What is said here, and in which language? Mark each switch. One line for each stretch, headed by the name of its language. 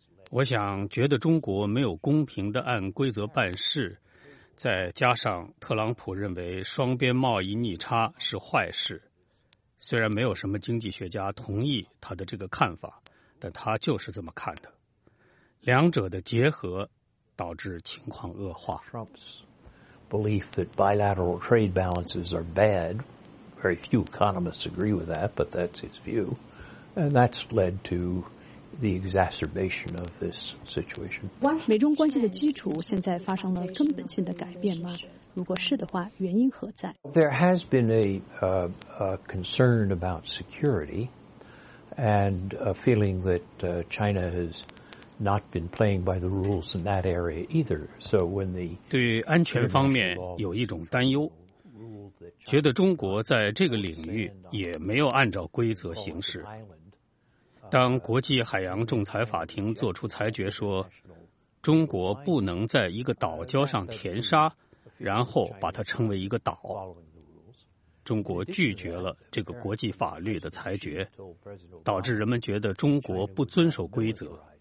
Chinese: 我想觉得中国没有公平的按规则办事，再加上特朗普认为双边贸易逆差是坏事，虽然没有什么经济学家同意他的这个看法，但他就是这么看的。两者的结合导致情况恶化。
English: Trump's belief that bilateral trade balances are bad, very few economists agree with that, but that's his view, and that's led to the exacerbation of this situation.
Chinese: 美中关系的基础现在发生了根本性的改变吗？如果是的话，原因何在？
English: There has been a concern about security and a feeling that China has not been playing by the rules in that area either. So when the
Chinese: 对安全方面有一种担忧，觉得中国在这个领域也没有按照规则行事。当国际海洋仲裁法庭作出裁决说，中国不能在一个岛礁上填沙，然后把它称为一个岛，中国拒绝了这个国际法律的裁决，导致人们觉得中国不遵守规则。